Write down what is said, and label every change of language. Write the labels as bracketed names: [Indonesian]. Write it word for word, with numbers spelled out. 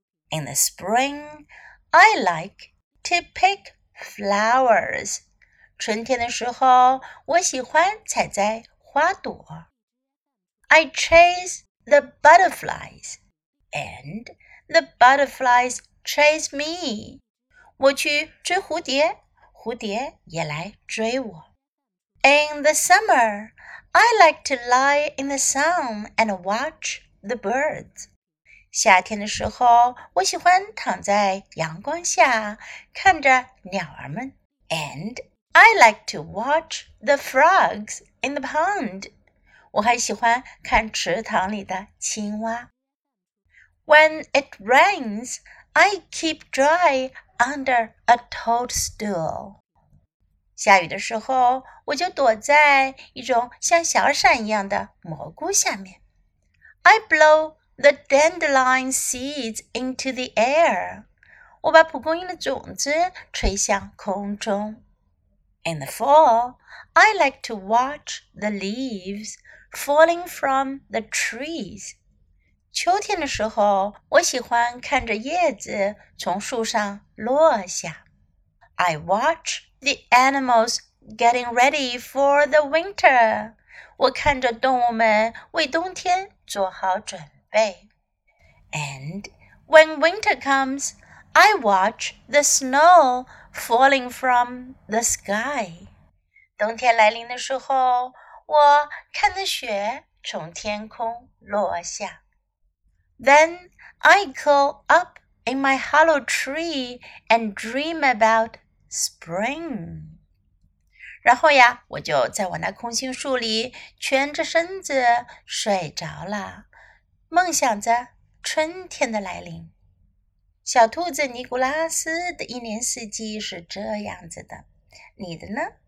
[English] In the spring, I like to pick flowers. [Chinese] 春天的时候，我喜欢采摘花朵。 [English] I chase the butterflies. And the butterflies chase me. [Chinese] 我去追蝴蝶，蝴蝶也来追我。 [English] In the summer, I like to lie in the sun and watch the birds. [Chinese] 夏天的时候，我喜欢躺在阳光下，看着鸟儿们。 [English] And I like to watch the frogs in the pond. [Chinese] 我还喜欢看池塘里的青蛙。 [English] When it rains, I keep dry under a toadstool. [Chinese] 下雨的时候，我就躲在一种像小伞一样的蘑菇下面。 [English] I blow the dandelion seeds into the air. [Chinese] 我把蒲公英的种子吹向空中。 [English] In the fall, I like to watch the leaves falling from the trees. [Chinese] 秋天的时候，我喜欢看着叶子从树上落下。 [English] I watch the animals getting ready for the winter. [Chinese] 我看着动物们为冬天做好准备。 [English] And when winter comes, I watch the snow falling from the sky. [Chinese] 冬天来临的时候，我看着雪从天空落下。 [English] Then I curl up in my hollow tree and dream about spring. [Chinese] 然后呀，我就在我那空心树里蜷着身子睡着了，梦想着春天的来临。小兔子尼古拉斯的一年四季是这样子的，你的呢？